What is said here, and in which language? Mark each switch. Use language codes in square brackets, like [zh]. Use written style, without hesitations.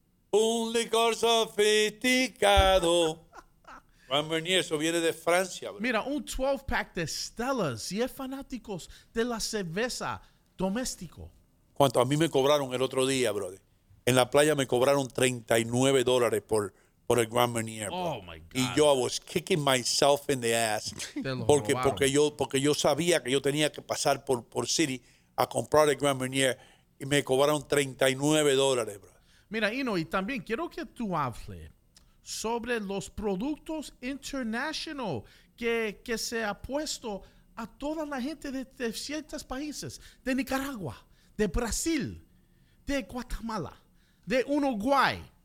[es] Un licor sofisticado. Grand Marnier, eso viene de Francia, bro. Mira, un 12-pack de Stella's, si es fanático de la cerveza doméstico. ¿Cuánto? A mí me cobraron el otro día, brother. En la playa me cobraron $39 por el Grand Marnier. [en] Oh, my God. [es] Y yo, [en] I was kicking myself in the ass. [es] Porque yo sabía que yo tenía que pasar por City a comprar el Grand Marnier y me cobraron $39, bro. Mira, Hino, y también quiero que tú hables sobre los productos internacionales que se ha puesto a toda la gente de ciertos países, de Nicaragua, de Brasil, de Guatemala, de Uruguay.